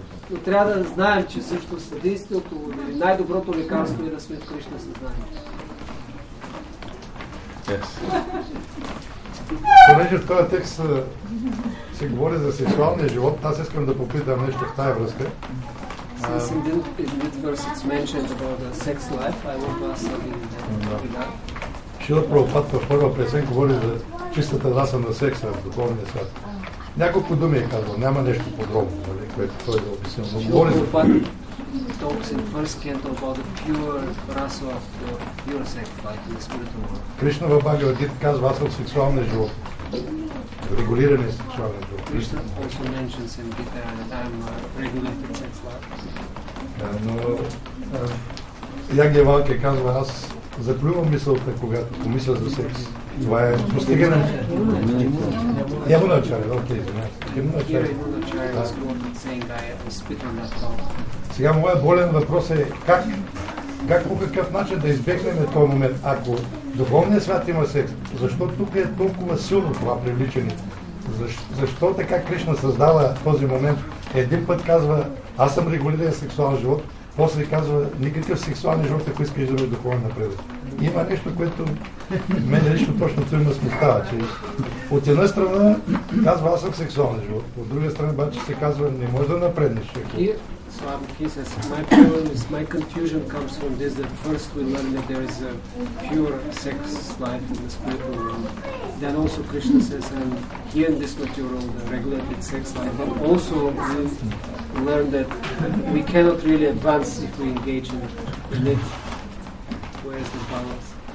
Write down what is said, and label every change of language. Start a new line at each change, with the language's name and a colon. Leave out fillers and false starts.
Bulgarian: Но трябва да знаем, че също съдействието е най-доброто лекарство и да сме в Кришна съзнание. Понеже в този текст се говори за сексуалния живот, аз искам да попитам нещо в тази връзка.
English: Since in this verse it's mentioned about the
Bulgarian: Шила Прабхупад в първа песен говори за чистата раса на секса. Няколко думи е казал, няма нещо подробно, което той да обясня. Шила
English: Прабхупад talks in first canto about the pure rasa of the pure sex life in the spiritual world.
Bulgarian: Кришна във Бхагавад Гита казва, аз съм сексуален живот. Регулиране сексуалния живот.
English: Кришна also mentions in Gita that I'm regulated sex life.
Bulgarian: Но Ягья Валки казва, аз заплювам мисълта, когато помисля за секс. Това е постигане. Ябо начаре, окей, извинявай. Ябо начаре. Сега моят болен въпрос е как по какъв начин да избегнем този момент, ако духовният свят има секс, защо тук е толкова силно това привличане? Защо така Кришна създава този момент? Един път казва, аз съм регулиран сексуален живот, после казва, никакъв сексуален живот, ако искаш да бъдеш духовен напредък. Има нещо, което мен лично точно той ме смущава, че от една страна казва, аз съм сексуален живот, от друга страна обаче се казва, не можеш да напреднеш.
English: So he says, my problem is, my confusion comes from this, that first we learn that there is a pure sex life in the spiritual world. Then also Krishna says, and here in this material, the regulated sex life, but also we learn that we cannot really advance if we engage in it. Where is the balance?